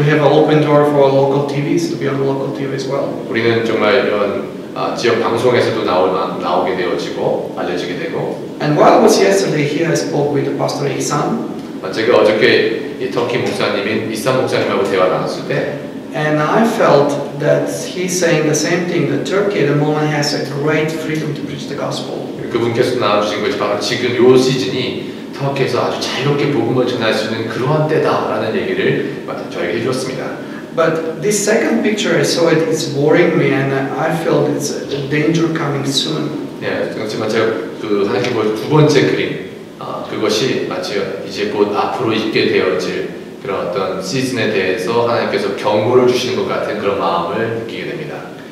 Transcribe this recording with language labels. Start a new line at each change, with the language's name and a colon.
English: We have an open door for local TVs to be on local TV as well.
Korean: 우리는 정말 이런 지역 방송에서도 나오게 되어지고 알려지게 되고.
English: And while I was yesterday here, I spoke with Pastor Ihsan.
Korean: 제가 어저께 이 터키 목사님인 이산 목사님하고 대화 나눴을 때,
English: And I felt that he's saying the same thing, that Turkey at the moment has a great freedom to preach the gospel.
Korean: 그분께서 나와주신 것이 바로 지금 이 시즌이 터키에서 아주 자유롭게 복음을 전할 수 있는 그러한 때다라는 얘기를 저에게 해주었습니다.
English: But this second picture, I saw it, it's boring me and I felt it's a danger coming soon.
Korean: 예, 그렇지만 제가 그 사진 보여준 두 번째 그림, 그것이 마치 이제 곧 앞으로 있게 되어질 그런 어떤 시즌에 대해서 하나님께서 경고를 주시는 것 같은 그런 마음을 느끼게 됩니다.